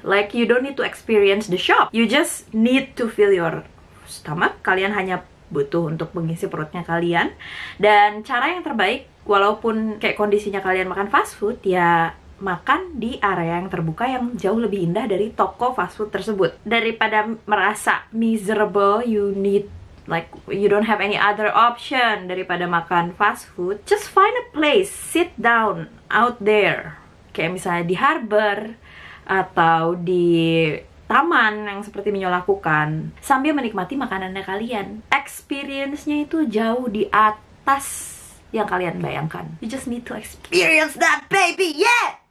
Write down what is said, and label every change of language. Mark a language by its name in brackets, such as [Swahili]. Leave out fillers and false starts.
[English] Like you don't need to experience the shop, you just need to fill your stomach. [Indonesian] Kalian hanya butuh untuk mengisi perutnya kalian. Dan cara yang terbaik, walaupun kayak kondisinya kalian makan fast food, ya makan di area yang terbuka yang jauh lebih indah dari toko fast food tersebut. Daripada merasa miserable, [English] you need, like, you don't have any other option [Indonesian] daripada makan [English] fast food, just find a place, sit down out there. [Indonesian] Kayak misalnya di harbor atau di taman yang seperti Minyo lakukan, sambil menikmati makanannya kalian. Experience-nya itu jauh di atas yang kalian bayangkan. [English] You just need to experience that, baby, yeah!